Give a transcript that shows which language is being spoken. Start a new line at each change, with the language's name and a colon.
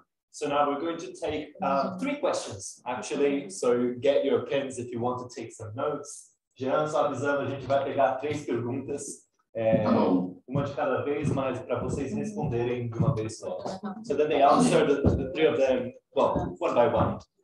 English: So now we're going to take three questions, actually. So get your pens if you want to take some notes.
Portuguese: Jean está avisando, a gente vai pegar três perguntas. Uma de cada vez, mas para vocês responderem de uma vez só.
English: So then they answer the three of them, well, one by one.